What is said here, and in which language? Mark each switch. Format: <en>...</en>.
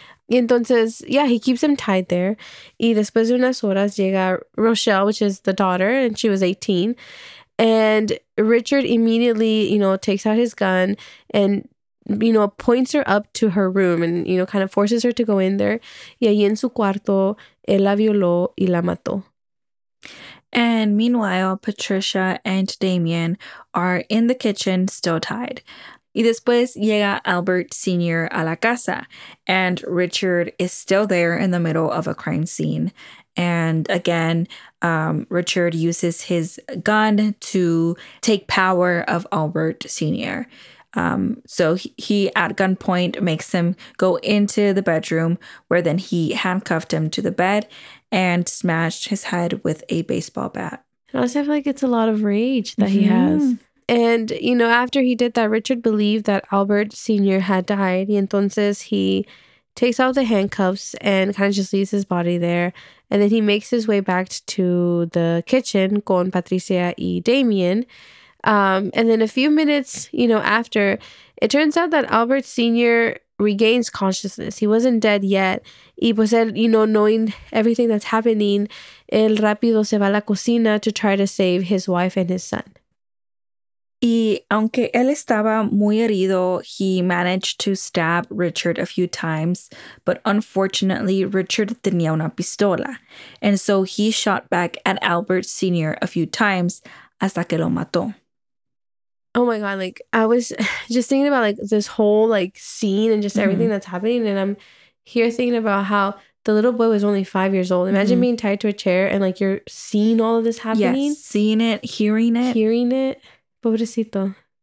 <es>Entonces,</es> <en>yeah, he keeps them tied there.</en> <es>Y después de unas horas llega</es> <en>Rochelle, which is the daughter, and she was 18. And Richard immediately, you know, takes out his gun and, you know, points her up to her room and, you know, kind of forces her to go in there.</en> <es>Y ahí en su cuarto, él la violó y la mató.</es> <en>And meanwhile, Patricia and Damien are in the kitchen still tied.</en> <es>Y después llega Albert Sr. a la casa.</es> <en>And Richard is still there in the middle of a crime scene. And again, Richard uses his gun to take power of Albert Sr. So he at gunpoint makes him go into the bedroom where then he handcuffed him to the bed and smashed his head with a baseball bat. I also feel like it's a lot of rage that he has. And, you know, after he did that, Richard believed that Albert Sr. had died.</en> <es>Y entonces</es> <en>he takes off the handcuffs and kind of just leaves his body there. And then he makes his way back to the kitchen</en> <es>con Patricia y Damien.</es> <en>And then a few minutes, you know, after, it turns out that Albert Sr. regains consciousness. He wasn't dead yet.</en> <es>Y pues él,</es> <en>you know, knowing everything that's happening,</en> <es>él rápido se va a la cocina</es> <en>to try to save his wife and his son.</en> <es>Y aunque él estaba muy herido,</es> <en>he managed to stab Richard a few times, but unfortunately, Richard</en> <es>tenía una pistola.</es> <en>And so he shot back at Albert Sr. a few times</en> <es>hasta que lo mató.</es> <en>Oh my God, like, I was just thinking about, like, this whole, like, scene and just everything that's happening. And I'm here thinking about how the little boy was only 5 years old. Imagine being tied to a chair and, like, you're seeing all of this happening. Yes, seeing it, hearing it. Hearing it.</en> <es>Pobrecito.</es>